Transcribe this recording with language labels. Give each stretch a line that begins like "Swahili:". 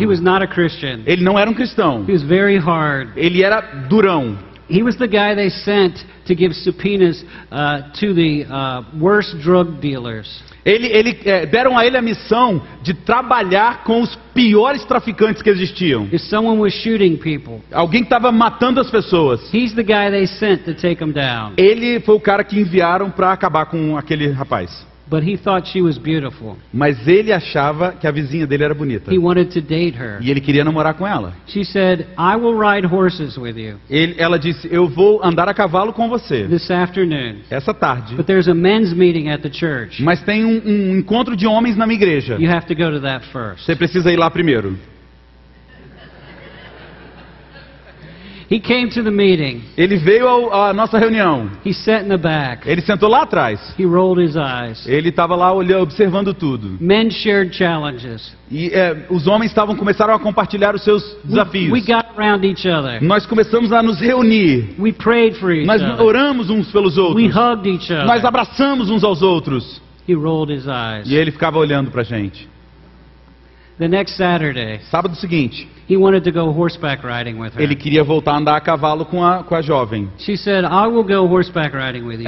English: He was not a Christian.
Portuguese: Ele não era um cristão.
English: He was very hard.
Portuguese: Ele era durão.
English: He was the guy they sent to give subpoenas to the worst drug dealers.
Portuguese: Ele deram a ele a missão de trabalhar com os piores traficantes que existiam.
English: If someone was shooting people.
Portuguese: Alguém que estava matando as pessoas.
English: He's the guy they sent to take them down.
Portuguese: Ele foi o cara que enviaram para acabar com aquele rapaz.
English: But he thought she was beautiful.
Portuguese: Mas ele achava que a vizinha dele era bonita.
English: He wanted to date her.
Portuguese: E ele queria namorar com ela.
English: She said, "I will ride horses with you."
Portuguese: Ela disse, "Eu vou andar a cavalo com você."
English: This afternoon.
Portuguese: Essa tarde.
English: But there's a men's meeting at the church.
Portuguese: Mas tem um encontro de homens na minha igreja.
English: You have to go to that first.
Portuguese: Você precisa ir lá primeiro.
English: He came to the meeting.
Portuguese: Ele veio à nossa reunião.
English: He sat in the back.
Portuguese: Ele sentou lá atrás.
English: He rolled his eyes.
Portuguese: Ele estava lá olhando, observando tudo.
English: Men shared challenges.
Portuguese: E os homens começaram a compartilhar os seus desafios.
English: We got around each other.
Portuguese: Nós começamos a nos reunir.
English: We prayed for each
Portuguese: Nós
English: other.
Portuguese: Oramos uns pelos outros.
English: We hugged each other.
Portuguese: Nós abraçamos uns aos outros.
English: He rolled his eyes.
Portuguese: E ele ficava olhando para a gente.
English: The next Saturday.
Portuguese: Sábado seguinte.
English: He wanted to go horseback riding with her.
Portuguese: Ele queria voltar a andar a cavalo com a jovem.
English: She said, "I will go horseback riding with you."